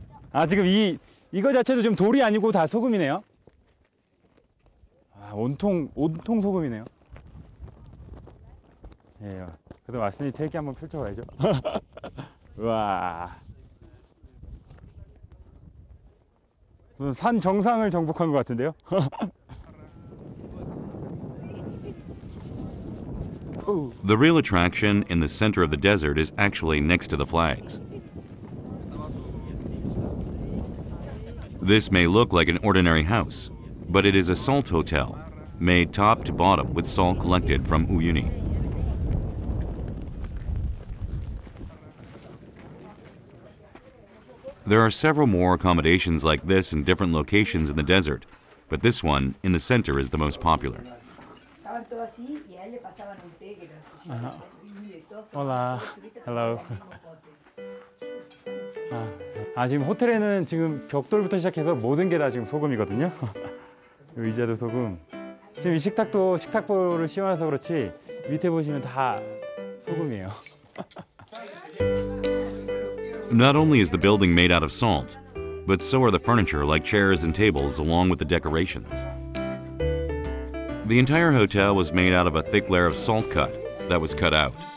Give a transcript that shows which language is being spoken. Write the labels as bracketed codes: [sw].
[ko] 아, 지금 이 이거 자체도 좀 돌이 아니고 다 소금이네요. 아, 온통 소금이네요. 예. 그래도 왔으니 태극기 한번 펼쳐 봐야죠. 와. 무슨 산 정상을 정복한 것 같은데요. [en] The real attraction in the center of the desert is actually next to the flags. This may look like an ordinary house, but it is a salt hotel, made top to bottom with salt collected from Uyuni. There are several more accommodations like this in different locations in the desert, but this one in the center is the most popular. [es] Hola. [en] Hello. [ko] 아, 지금 호텔에는 지금 벽돌부터 시작해서 모든 게 다 지금 소금이거든요. 의자도 소금. 지금 이 식탁도 식탁보를 씌워놔서 그렇지 밑에 보시면 다 소금이에요. [en] Not only is the building made out of salt, but so are the furniture like chairs and tables along with the decorations. The entire hotel was made out of a thick layer of salt cut that was cut out.